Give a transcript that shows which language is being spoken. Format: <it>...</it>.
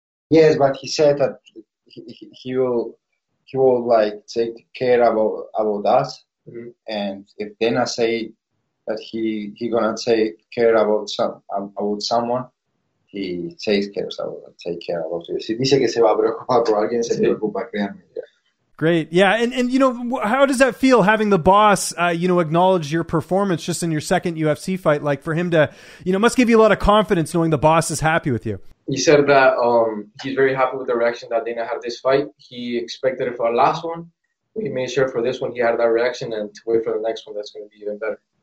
<en>Yes, but he said that he will like take care about us, mm-hmm. And if Dana say that he gonna take care about someone, he takes care about you.</en> <es>Si dice que se va a preocupar por alguien, se preocupa, créanme.</es> <en>Great, yeah, and you know, how does that feel having the boss, you know, acknowledge your performance just in your second UFC fight? Like for him to, you know, must give you a lot of confidence knowing the boss is happy with you. He said that he's very happy with the reaction that Dana had this fight. He expected it for the last one, but he made sure for this one he had that reaction, and to wait for the next one, that's going to be even better.</en>